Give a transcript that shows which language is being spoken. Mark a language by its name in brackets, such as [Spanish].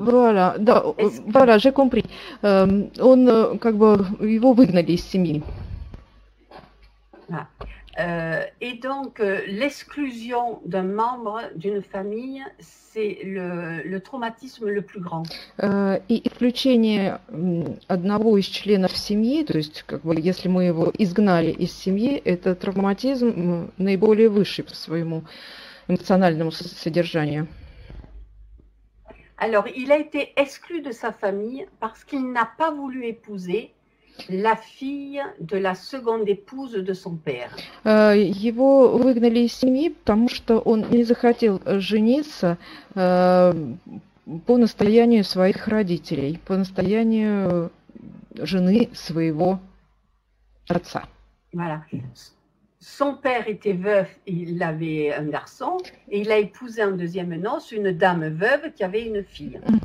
[French] Ah, voilà, да, voilà, j'ai compris. [Russian] Его выгнали из семьи. Ah. [French] Et donc, l'exclusion d'un membre d'une famille, c'est le traumatisme le plus grand. [Russian] И исключение одного из членов семьи, то есть, как бы, если мы его изгнали из семьи, это травматизм наиболее высший по своему эмоциональному содержанию. [French] Alors, il a été exclu de sa famille parce qu'il n'a pas voulu épouser la fille de la seconde épouse de son père. [Russian] Его выгнали из семьи, потому что он не захотел жениться по настоянию своих родителей, по настоянию жены своего отца. [French] Voilà. Son père était veuf, il avait un garçon, et il a épousé en deuxième noce une dame veuve qui avait une fille.